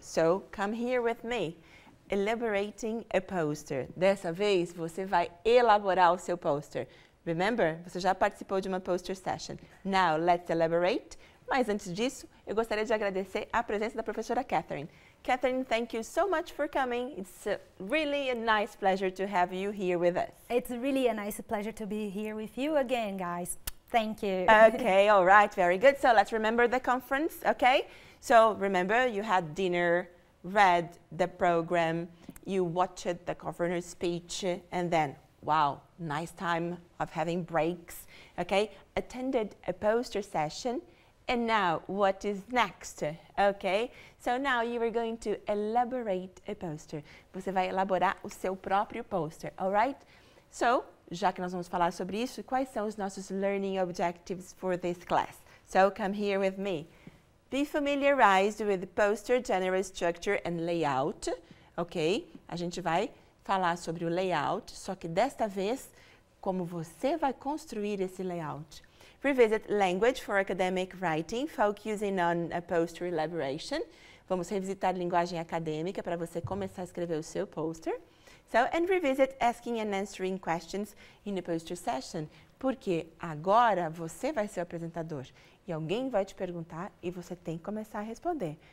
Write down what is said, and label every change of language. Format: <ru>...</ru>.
<en>So, come here with me. Elaborating a poster.</en> <pt>Dessa vez, você vai elaborar o seu poster. Remember, você já participou de uma poster session.</pt> <en>Now, let's elaborate.</en> <pt>Mas antes disso, eu gostaria de agradecer a presença da professora Katherine.</pt> <en>Katherine, thank you so much for coming. It's really a nice pleasure to have you here with us. It's really a nice pleasure to be here with you again, guys. Thank you. Okay, all right, very good. So let's remember the conference, okay? So remember, you had dinner, read the program, you watched the governor's speech, and then, wow, nice time of having breaks, okay? Attended a poster session. And now, what is next? Okay, so now you are going to elaborate a poster.</en> <pt>Você vai elaborar o seu próprio poster, alright? So, já que nós vamos falar sobre isso, quais são os nossos</pt> <en>learning objectives for this class? So, come here with me. Be familiarized with the poster general structure and layout.</en> <pt>Okay, a gente vai falar sobre o layout, só que desta vez, como você vai construir esse layout.</pt> <en>Revisit language for academic writing, focusing on a poster elaboration.</en> <pt>Vamos revisitar linguagem acadêmica para você começar a escrever o seu poster.</pt> <en>So, and revisit asking and answering questions in a poster session.</en> <pt>Porque agora você vai ser o apresentador e alguém vai te perguntar e você tem que começar a responder.</pt>